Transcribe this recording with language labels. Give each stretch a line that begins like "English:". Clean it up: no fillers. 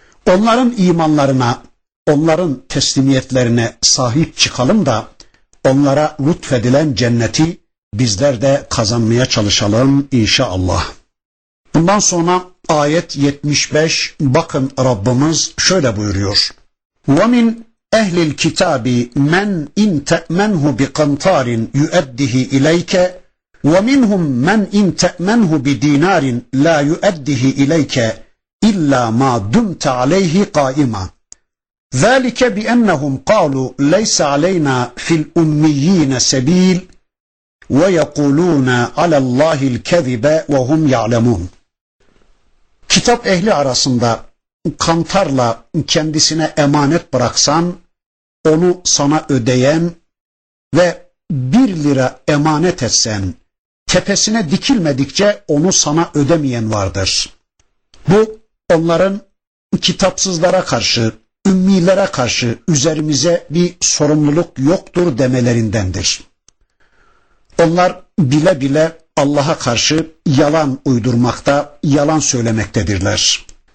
Turkish: Onların imanlarına, onların teslimiyetlerine sahip çıkalım da onlara lütfedilen cenneti bizler de kazanmaya çalışalım inşallah. Bundan sonra ayet 75, bakın Rabbimiz şöyle buyuruyor.
Arabic: وَمِنْ اَهْلِ الْكِتَابِ مَنْ اِنْ تَأْمَنْهُ بِقَنْتَارٍ يُؤَدِّهِ اِلَيْكَ وَمِنْهُمْ مَنْ اِنْ تَأْمَنْهُ بِدِينَارٍ لَا يُؤَدِّهِ اِلَيْكَ اِلَّا مَا دُمْتَ عَلَيْهِ قَائِمًا ذَلِكَ بِأَنَّهُمْ قَالُوا لَيْسَ عَلَيْنَا فِي الْأُمِّيِّينَ سَبِيلٍ وَيَقُولُونَ عَلَى اللّٰهِ الْكَذِبَ وَهُمْ يَعْلَمُونَ
Turkish: Kitap ehli arasında kantarla kendisine emanet bıraksan, onu sana ödeyen ve bir lira emanet etsen, tepesine dikilmedikçe onu sana ödemeyen vardır. Bu onların kitapsızlara karşı, ümmilere karşı üzerimize bir sorumluluk yoktur demelerindendir. Onlar bile bile Allah'a karşı yalan uydurmakta, yalan söylemektedirler.